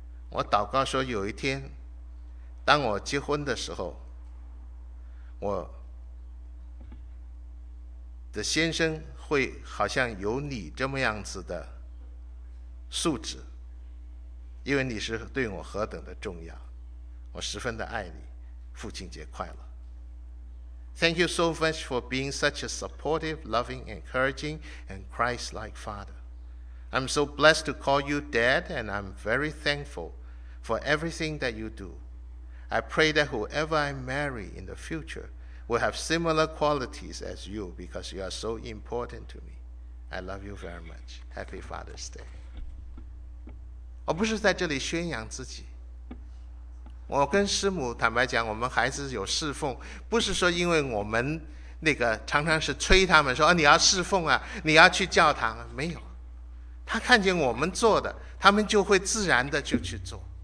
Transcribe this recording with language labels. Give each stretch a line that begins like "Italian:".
Chinese: 我祷告说有一天当我结婚的时候，我的先生会好像有你这么样子的素质，因为你是对我何等的重要，我十分的爱你，父亲节快乐。
English: Thank you so much for being such a supportive, loving, encouraging, and Christ-like father. I'm so blessed to call you dad, and I'm very thankful for everything that you do. I pray that whoever I marry in the future will have similar qualities as you, because you are so important to me. I love you very much. Happy Father's Day.
Chinese: 我不是在这里宣扬自己，我跟师母坦白讲，我们孩子有侍奉，不是说因为我们那个常常是催他们说、啊、你要侍奉啊，你要去教堂啊，没有，他看见我们做的，他们就会自然的就去做。